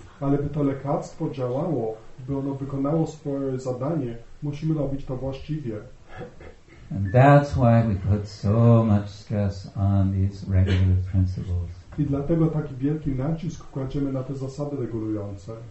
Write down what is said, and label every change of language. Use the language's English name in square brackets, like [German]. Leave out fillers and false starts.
[Polish] Ale by to lekarstwo działało, by ono wykonało swoje zadanie, musimy robić to właściwie. [English] And that's why we put so much stress on these regular principles. [Polish] I dlatego taki wielki nacisk kładziemy na te zasady regulujące.